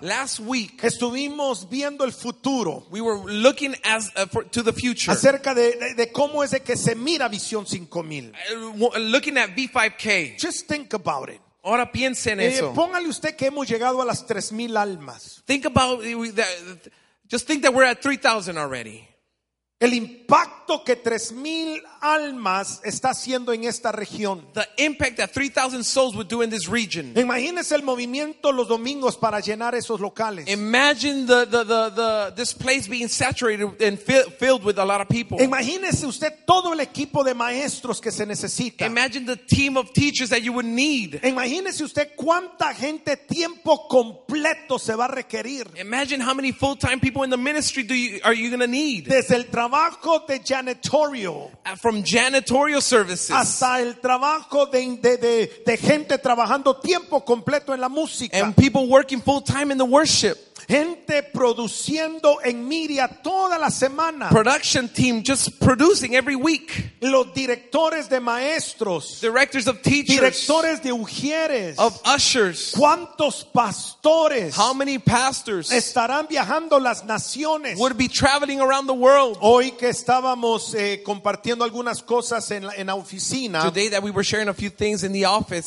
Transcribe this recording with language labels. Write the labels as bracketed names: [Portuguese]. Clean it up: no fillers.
[English] last week, [Spanish] estuvimos viendo el futuro, [English] we were looking as to the future, [Spanish] acerca de cómo es de que se mira visión 5000, [English] looking at V5K. Just think about it. [Spanish] Ahora piense en eso. Póngale usted que hemos llegado a las 3000 almas. [English] Think about that, just think that we're at 3000 already. [Spanish] El impacto que 3,000 almas está haciendo en esta región. [English] The impact that 3,000 souls would do in this region. [Spanish] Imagínese el movimiento los domingos para llenar esos locales. [English] Imagine the this place being saturated and filled with a lot of people. [Spanish] Imagínese usted todo el equipo de maestros que se necesita. [English] Imagine the team of teachers that you would need. [Spanish] Imagínese usted cuánta gente tiempo completo se va a requerir. [English] Imagine how many full-time people in the ministry are you going to need. [Spanish] Desde el trabajo de janitorial, [English] from janitorial services, [Spanish] hasta el trabajo de gente trabajando tiempo completo en la música, [English] and people working full time in the worship, [Spanish] gente produciendo en media toda la semana, [English] production team just producing every week, [Spanish] los directores de maestros, [English] directors of teachers, [Spanish] directores de ujieres, [English] of ushers, [Spanish] cuántos pastores, [English] how many pastors, [Spanish] estarán viajando las naciones, [English] would be traveling around the world. [Spanish] Hoy que estábamos compartiendo algunas cosas en la oficina, [English] today that we were sharing a few things in the office,